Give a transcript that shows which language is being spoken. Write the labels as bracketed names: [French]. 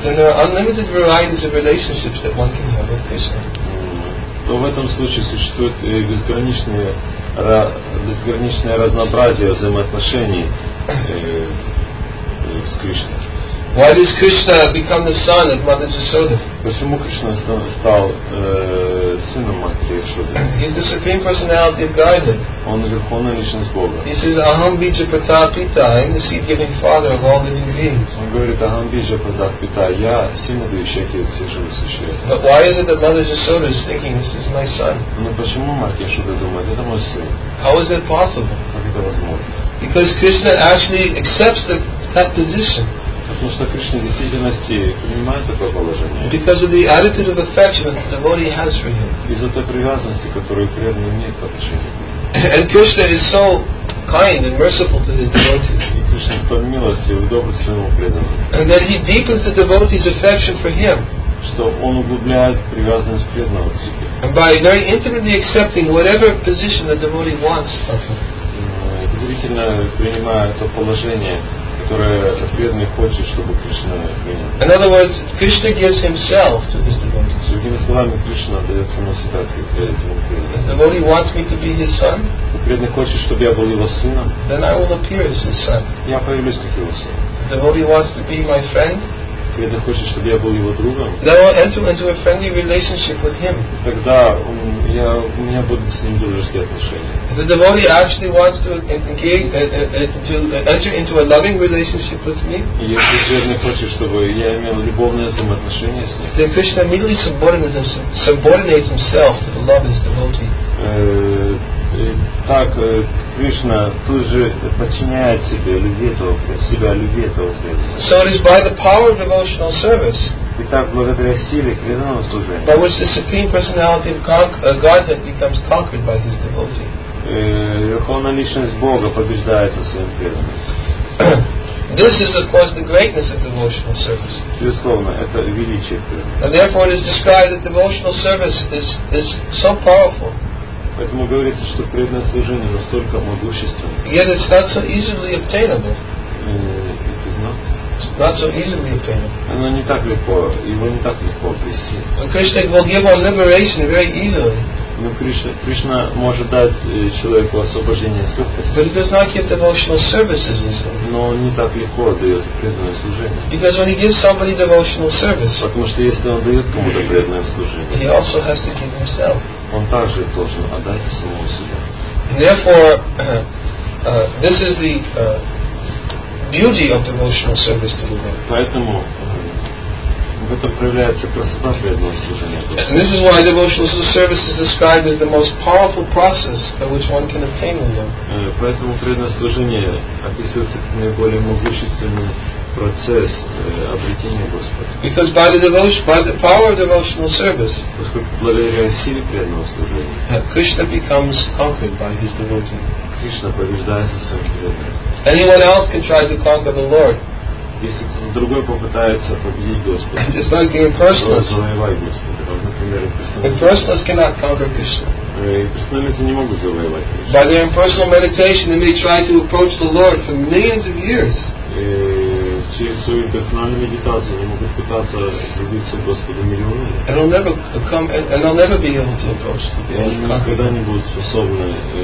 [English] Then there are unlimited varieties of relationships that one can have with Krishna. [Russian] То в этом случае существует безграничное разнообразие взаимоотношений с Кришной. [English] Why does Krishna become the son of Mother Yashoda? [Russian] Почему Кришна стал сыном Матери Яшоды? [English] He's the supreme personality of Godhead. [Russian] Он верховная личность Бога. [English] He says, [Sanskrit] "Aham bija pratapita, [English] I'm the seed-giving father of all living beings." [Russian] Он говорит, [Sanskrit] "Aham bija pratapita, [Russian] я семидающий отец всех живых существ." [English] But why is it that Mother Yashoda is thinking this is my son? [Russian] Но почему Мать Яшода думает, это мой сын? [English] How is that possible? [Russian] Как это возможно? [English] Because Krishna actually accepts that position. [Russian] Потому что Кришна в действительности принимает такое положение. [English] Because of the attitude of affection that the devotee has for him. [Russian] Из-за той привязанности, которую преданный имеет по отношению к нему. [English] And Krishna is so kind and merciful to his devotee. [Russian] И Кришна столь милостив и добр к своему преданному. [English] And that he deepens the devotee's affection for him. [Russian] Что он углубляет привязанность преданного к себе. [English] And by very intimately accepting whatever position the devotee wants of him. [Russian] Действительно принимая то положение, которое преданный хочет, чтобы Кришна принял. [English] In other words, Krishna gives himself to his devotees. [Russian] Другими словами, Кришна дает сама себя этому преданному. [English] The devotee wants me to be his son. [Russian] Преданный хочет, чтобы я был его сыном. [English] Then I will appear as his son. [Russian] Я появлюсь как его сын. [English] The devotee wants to be my friend. [Russian] Преданный хочет, чтобы я был его другом. [English] Then I will enter into a friendly relationship with him. [Russian] Тогда у меня будут с ним дружеские отношения. [English] If the devotee actually wants to engage, to enter into a loving relationship with me. [Russian] Если преданный хочет, чтобы я имел любовные взаимоотношения с ним. [English] Then Krishna immediately subordinates himself to the love of his devotee. [Russian] Так Кришна тут же подчиняет себя любви этого преданного. [English] So it is by the power of devotional service. [Russian] Итак, благодаря силе преданного служения. [English] By which the supreme personality of Godhead becomes conquered by his devotee. [Russian] Верховная личность Бога побеждается своим преданным. [English] This is, of course, the greatness of devotional service. [Russian] Безусловно, это величие преданного. [English] And therefore, it is described that devotional service is so powerful. [Russian] Поэтому говорится, что преданное служение настолько могущественно. [English] Yet it's not so easily obtainable. It is not. Not so easily obtainable. [Russian] Оно не так легко, его не так легко обрести. [English] But Krishna will give one liberation very easily. [Russian] Но Кришна может дать человеку освобождение с легкостью. [English] But it does not give devotional services easily. [Russian] Но не так легко дает преданное служение. [English] Because when he gives somebody devotional service. [Russian] Потому что если он дает кому-то преданное служение. [English] He also has to give himself. [Russian] Он также должен отдать самого себя. [English] And therefore, this is the beauty of devotional service to the Lord. [Russian] Поэтому в этом проявляется красота преданного служения. [English] And this is why devotional service is described as the most powerful process by which one can obtain the Lord. [Russian] Поэтому преданное служение описывается как наиболее могущественный процесс обретения Господа. [English] Because by the devotion, by the power of devotional service, [Russian] благодаря силе преданного служения, [English] Krishna becomes conquered by his devotee. [Russian] Кришна побеждается своим преданным. [English] Anyone else can try to conquer the Lord. [Russian] Если кто-то другой попытается победить Господа, [English] just like impersonalists, [Russian] завоевать Господа, например, [English] impersonalists cannot conquer Krishna. [Russian] Impersonalists не могут завоевать Кришну. [English] By their impersonal meditation, they may try to approach the Lord for millions of years. [Russian] Через свою персональную медитацию они могут пытаться пробиться к Господу миллионы. [English] And they'll never be able to approach the Lord. [Russian] Они никогда не будут способны